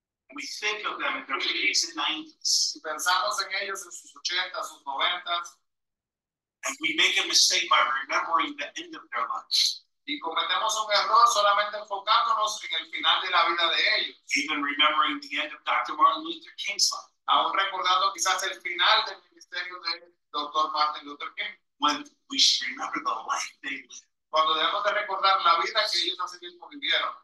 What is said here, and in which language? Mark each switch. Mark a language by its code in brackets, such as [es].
[en] And we think of them in their 80s and 90s. [es] Y pensamos en ellos en sus 80s, sus 90s. [en] And we make a mistake by remembering the end of their lives. [es] Y cometemos un error solamente enfocándonos en el final de la vida de ellos. [en] Even remembering the end of Dr. Martin Luther King's life. [es] Aún recordando quizás el final del ministerio de Dr. Martin Luther King. [en] When we should remember the life they lived. [es] Cuando debemos de recordar la vida que ellos así mismo vivieron.